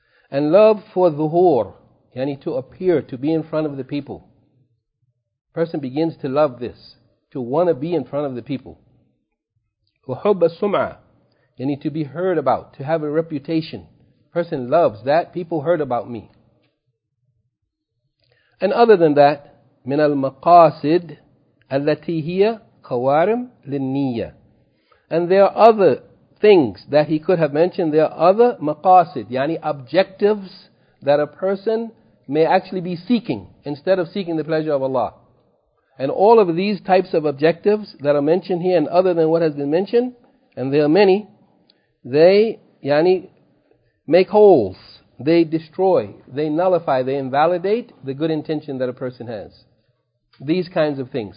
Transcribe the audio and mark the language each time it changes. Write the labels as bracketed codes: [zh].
[en] And love for dhuhur, yani to appear, to be in front of the people. A person begins to love this, to want to be in front of the people. [ar] وَحُبَّ السُّمْعَ. [en] You need to be heard about, to have a reputation. Person loves that, people heard about me. And other than that, [ar] مِنَ الْمَقَاصِدِ الَّتِي هِيَ قَوَارِمْ لِلنِّيَّةِ. [en] And there are other things that he could have mentioned. There are other maqasid, yani objectives that a person may actually be seeking instead of seeking the pleasure of Allah. And all of these types of objectives that are mentioned here and other than what has been mentioned, and there are many, they yani make holes, they destroy, they nullify, they invalidate the good intention that a person has. These kinds of things.